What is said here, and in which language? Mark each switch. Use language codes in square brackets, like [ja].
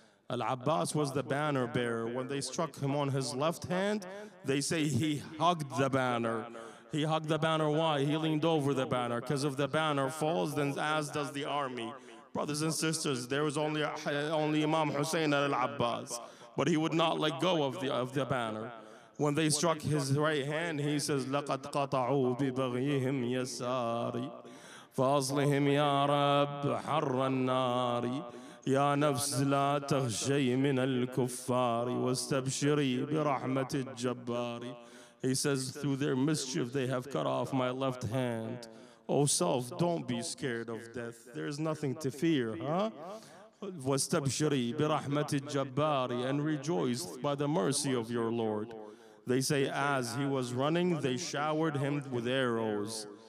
[en] Al-Abbas was the banner bearer. When they struck him on his left hand, they say he hugged the banner. He hugged the banner. Why? He leaned over the banner. Because if the banner falls, then as does the army. Brothers and sisters, there was only Imam Hussein al-Abbas, but he would not let go of the banner. When they struck his right hand, he says, [ar] لَقَدْ قَطَعُوا بِبَغْيِهِمْ يَسَارِ فَأَصْلِهِمْ يَا رَبَّ حَرَّ النَّارِ يَا نَفْسِ لَا تَخْشَي مِنَ الْكُفَّارِ وَاسْتَبْشِرِي بِرَحْمَةِ الْجَبَّارِ. [en] He says, through their mischief, they have cut off my left hand. O self, don't be scared of death. There is nothing to fear, huh? [ar] وَاسْتَبْشِرِي بِرَحْمَةِ الْجَبَّارِ, [en] and rejoice by the mercy of your Lord. They say, as he was running, they showered him with arrows.